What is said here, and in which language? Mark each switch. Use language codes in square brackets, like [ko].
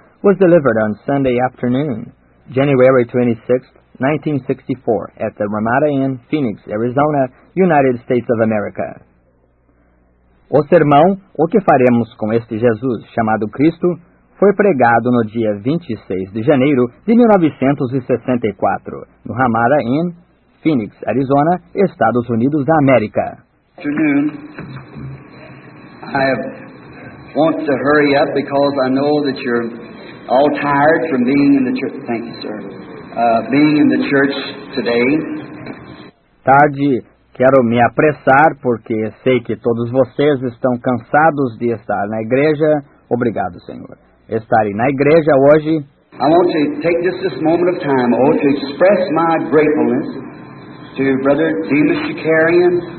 [en] was delivered on Sunday afternoon, January 26, 1964, at the Ramada Inn, Phoenix, Arizona, United States of America. [pt] O sermão, "O que faremos com este Jesus chamado Cristo?", foi pregado no dia 26 de janeiro de 1964, no Ramada Inn, Phoenix, Arizona, Estados Unidos da América. [en] Afternoon. I want to hurry up because I know that you're all tired from being in the church. Thank you, sir. Being in the church today. [pt] Tarde, quero me apressar porque sei que todos vocês estão cansados de estar na igreja. Obrigado, Senhor. Estarei na igreja hoje. [en] I want to take just this moment of time, oh, to express my gratefulness to Brother Demas Shakarian.